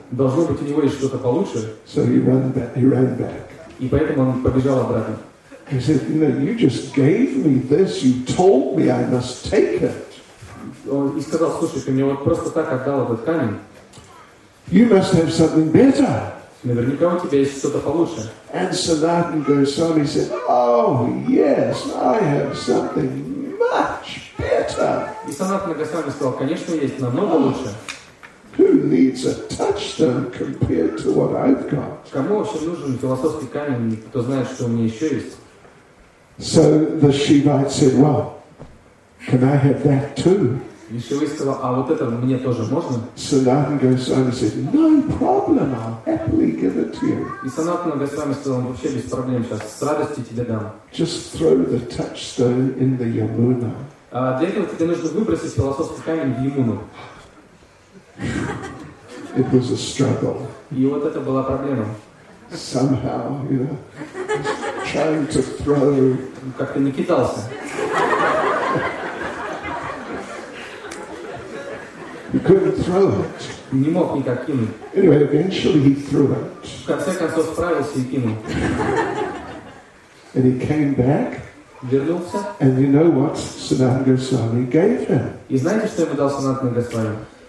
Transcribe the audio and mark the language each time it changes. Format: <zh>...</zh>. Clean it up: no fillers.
<ru>Должно быть у него есть что-то получше.</ru> <en>So he ran back.</en> <ru>И поэтому он побежал обратно.</ru> <en>He said, you know, you just gave me this. You told me I must take it.</en> <ru>Он и сказал, слушай, ты мне вот просто так отдал этот камень.</ru> <en>You must have something better.</en> <ru>Наверняка у тебя есть что-то получше.</ru> <en>And Sanatana Goswami said, oh yes, I have something much better.</en> <ru>И Санатана Госвами сказал, конечно, есть намного лучше.</ru> <en>Who needs a touchstone compared to what I've got?</en> <ru>Кому вообще нужен философский камень, кто знает, что у меня еще есть?</ru> <en>So the Shivite said, well, can I have that too?</en> <ru>И Шивайт сказал, а вот это мне тоже можно?</ru> <en>Sanatana Goswami said, no problem, I'll happily give it to you.</en> <ru>И Санатана Госвами сказал, вообще без проблем сейчас, с радостью тебе дам.</ru> <en>Just throw the touchstone in the Yamuna.</en> <ru>Для этого тебе нужно выбросить философский камень в Ямуну.</ru> <en>It was a struggle.</en> <ru>И вот это была проблема.</ru> <en>Somehow, you know, trying to throw.</en> <ru>Как-то не кидался.</ru> <en>He couldn't throw it.</en> <ru>Не мог никак кинуть.</ru> <en>Anyway, eventually he threw it.</en> <ru>В конце концов справился и кинул.</ru> <en>And he came back.</en> <ru>Вернулся.</ru> <en>And you know what Sanatana Goswami gave him?</en> <ru>И знаете, что ему дал Санатана Госвами?</ru>